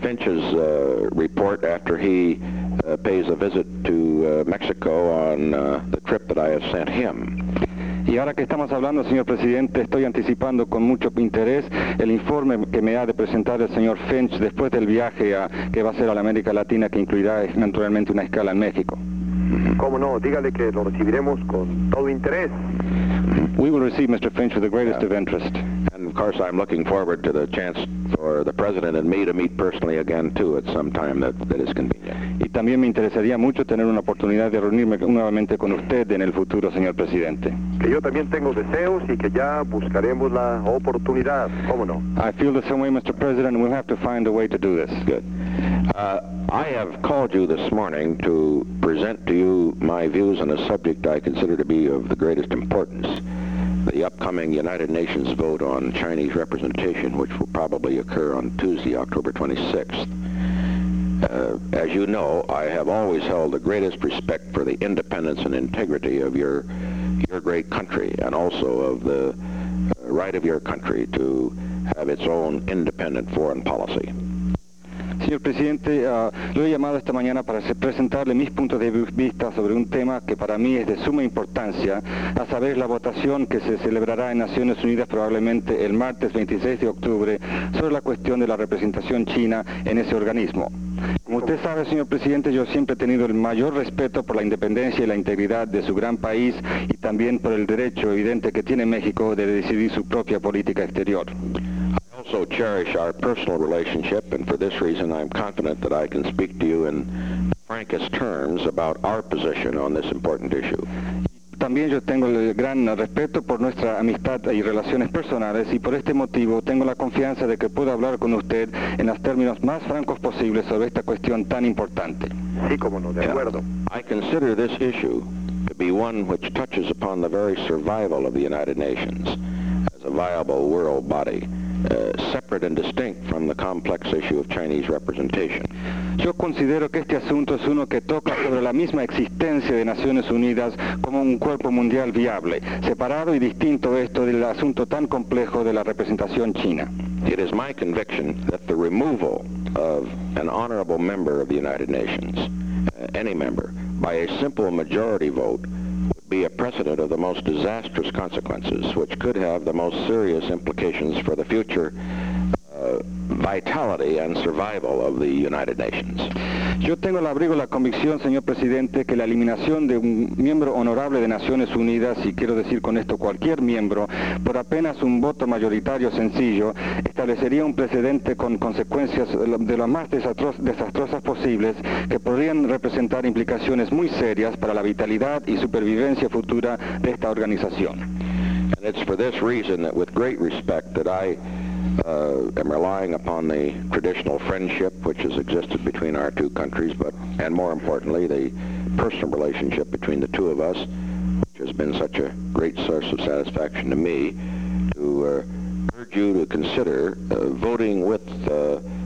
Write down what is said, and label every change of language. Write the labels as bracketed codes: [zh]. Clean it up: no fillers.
[en] Finch's report after he pays a visit to Mexico on the trip that I have sent him. [es] Y ahora que estamos hablando, señor presidente, estoy anticipando con mucho interés el informe que me ha de presentar el señor Finch después del viaje que va a hacer a la América Latina, que incluirá naturalmente una escala en México. ¿Cómo no? Dígale que lo recibiremos con todo interés. [en] We will receive Mr. Finch with the greatest of interest. And of course I'm looking forward to the chance for the President and me to meet personally again too at some time that is convenient. [es] Y también me interesaría mucho tener una oportunidad de reunirme nuevamente con usted en el futuro, señor Presidente. Que yo también tengo deseos y que ya buscaremos la oportunidad, ¿cómo no? [en] I feel the same way, Mr. President, and we'll have to find a way to do this. Good. I have called you this morning to present to you my views on a subject I consider to be of the greatest importance, the upcoming United Nations vote on Chinese representation, which will probably occur on Tuesday, October 26th. As you know, I have always held the greatest respect for the independence and integrity of your great country, and also of the right of your country to have its own independent foreign policy. [es] Señor Presidente, lo he llamado esta mañana para presentarle mis puntos de vista sobre un tema que para mí es de suma importancia, a saber la votación que se celebrará en Naciones Unidas probablemente el martes 26 de octubre sobre la cuestión de la representación china en ese organismo. Como usted sabe, señor Presidente, yo siempre he tenido el mayor respeto por la independencia y la integridad de su gran país y también por el derecho evidente que tiene México de decidir su propia política exterior. [en] I also cherish our personal relationship, and for this reason I'm confident that I can speak to you in the frankest terms about our position on this important issue. [es] También yo tengo el gran respeto por nuestra amistad y relaciones personales, y por este motivo tengo la confianza de que puedo hablar con usted en los términos más francos posibles sobre esta cuestión tan importante. Sí, como no, de acuerdo. [en] I consider this issue to be one which touches upon the very survival of the United Nations as a viable world body. Separate and distinct from the complex issue of Chinese representation. [es] Yo considero que este asunto es uno que toca sobre la misma existencia de Naciones Unidas como un cuerpo mundial viable, separado y distinto esto del asunto tan complejo de la representación china. [en] It is my conviction that the removal of an honorable member of the United Nations, any member, by a simple majority vote be a precedent of the most disastrous consequences, which could have the most serious implications for the future vitality and survival of the United Nations. [es] Yo tengo al abrigo la convicción, señor presidente, que la eliminación de un miembro honorable de Naciones Unidas, y quiero decir con esto cualquier miembro, por apenas un voto mayoritario sencillo, establecería un precedente con consecuencias de las más desastrosas posibles que podrían representar implicaciones muy serias para la vitalidad y supervivencia futura de esta organización. [en] And it's for this reason that with great respect that I am relying upon the traditional friendship which has existed between our two countries, but and more importantly the personal relationship between the two of us, which has been such a great source of satisfaction to me, to urge you to consider voting with the